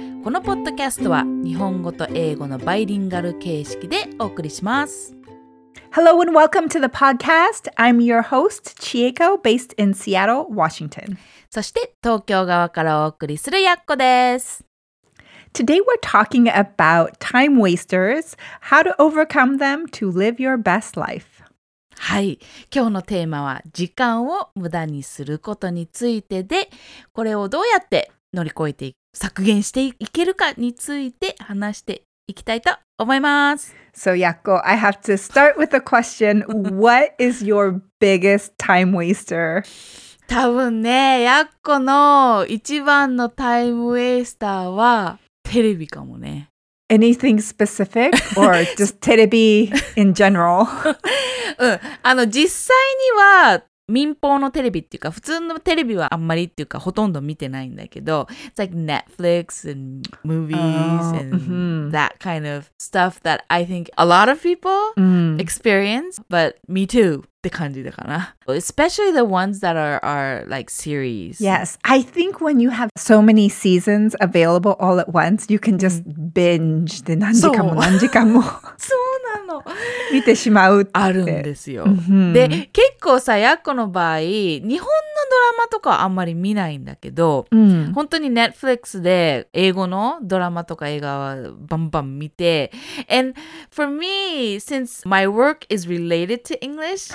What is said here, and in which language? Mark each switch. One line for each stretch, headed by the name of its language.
Japanese: このポッドキャストは日本語と英語のバイリンガル形式でお送りします。
English: Hello and welcome to the podcast. I'm your host, Chieko, based in Seattle, Washington.
Japanese: そして東京側からお送りするやっこです。
English: Today we're talking about time wasters, how to overcome them to live your best life.
Japanese: はい、今日のテーマは時間を無駄にすることについてで、これをどうやって乗り越えて削減していけるかについて話していきたいと思います。
English: So, Yakko, I have to start with a question. What is your biggest time waster?
Japanese: 多分ね、ヤッコの一番のタイムウェイスターはテレビかもね。
English: Anything specific or just テレビ in general?
Japanese: うん、実際には民放のテレビっていうか普通のテレビはあんまりっていうかほとんど見てないんだけど、
English: It's like Netflix and movies and that kind of stuff that I think a lot of people experience, but me too
Japanese: って感じだかな。
English: Especially the ones that are like series. Yes, I think when you have so many seasons available all at once, you can just binge
Japanese: で何時間も何時間もそう見てしまうってあるんですよ、mm-hmm. で結構さやっこの場合日本のドラマとかあんまり見ないんだけど、 mm-hmm. 本当に Netflix で英語のドラマとか映画はバンバン見て
English: And for me, since my work is related to English、